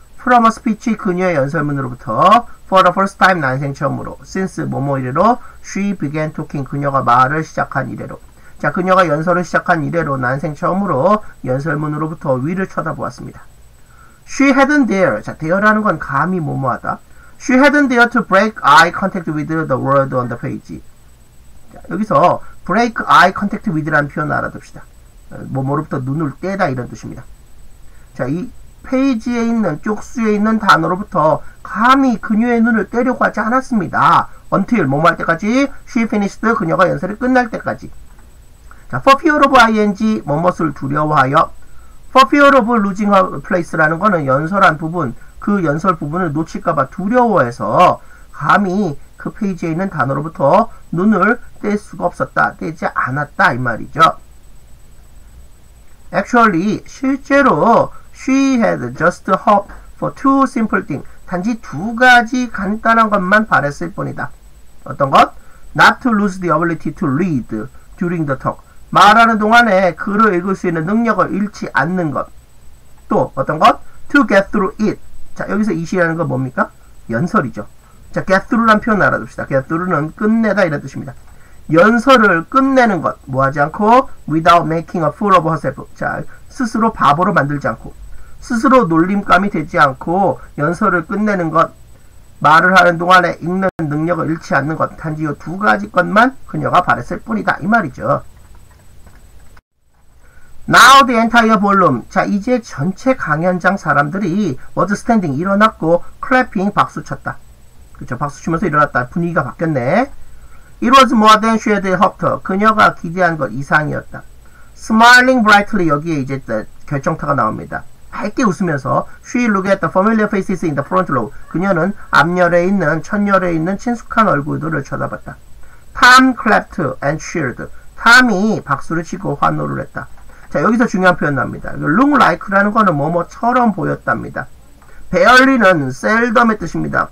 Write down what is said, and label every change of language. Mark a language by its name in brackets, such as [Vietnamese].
[English] From a speech, [Korean] 그녀의 연설문으로부터, [English] for the first time, [Korean] 난생 처음으로, [English] since [Korean] 뭐뭐 이래로, [English] she began talking, [Korean] 그녀가 말을 시작한 이래로. 자, 그녀가 연설을 시작한 이래로, 난생 처음으로, 연설문으로부터 위를 쳐다보았습니다. [English] She hadn't dared, [Korean] 자, dare라는 건 감히 뭐뭐하다. [English] She hadn't dared to break eye contact with the world on the page. [Korean] 자, 여기서 break eye contact with라는 표현을 알아둡시다. 뭐뭐로부터 눈을 떼다 이런 뜻입니다. 자, 이 페이지에 있는 쪽수에 있는 단어로부터 감히 그녀의 눈을 떼려고 하지 않았습니다. [English] Until [Korean] 뭐뭐 할 때까지, [English] she finished, [Korean] 그녀가 연설을 끝날 때까지. 자, for fear of ing, 뭐뭐를 두려워하여. [English] For fear of losing her place [Korean] 라는 거는 연설한 부분, 그 연설 부분을 놓칠까봐 두려워해서 감히 그 페이지에 있는 단어로부터 눈을 뗄 수가 없었다, 떼지 않았다 이 말이죠. [English] Actually, [Korean] 실제로 [English] she had just hoped for two simple things. [Korean] 단지 두 가지 간단한 것만 바랬을 뿐이다. 어떤 것? [English] Not to lose the ability to read during the talk. [Korean] 말하는 동안에 글을 읽을 수 있는 능력을 잃지 않는 것. 또 어떤 것? [English] To get through it. [Korean] 자, 여기서 it이라는 건 뭡니까? 연설이죠. 자, get through란 표현 알아둡시다. get through는 끝내다 이런 뜻입니다. 연설을 끝내는 것, 뭐하지 않고, [English] without making a fool of herself. [Korean] 자, 스스로 바보로 만들지 않고, 스스로 놀림감이 되지 않고 연설을 끝내는 것, 말을 하는 동안에 읽는 능력을 잃지 않는 것, 단지 이 두 가지 것만 그녀가 바랬을 뿐이다 이 말이죠. [English] Now the entire volume. [Korean] 자, 이제 전체 강연장 사람들이 [English] was standing, [Korean] 일어났고, [English] clapping, [Korean] 박수 쳤다. 그렇죠, 박수 치면서 일어났다. 분위기가 바뀌었네. [English] It was more than she had hoped. [Korean] 그녀가 기대한 것 이상이었다. [English] Smiling brightly. [Korean] 여기에 이제 결정타가 나옵니다. 밝게 웃으면서 [English] she looked at the familiar faces in the front row. [Korean] 그녀는 앞열에 있는, 첫열에 있는 친숙한 얼굴들을 쳐다봤다. [English] Tom clapped and cheered. [Korean] Tom이 박수를 치고 환호를 했다. 자, 여기서 중요한 표현 나옵니다. Look like라는 거는 뭐뭐처럼 보였답니다. Barely는 seldom의 뜻입니다.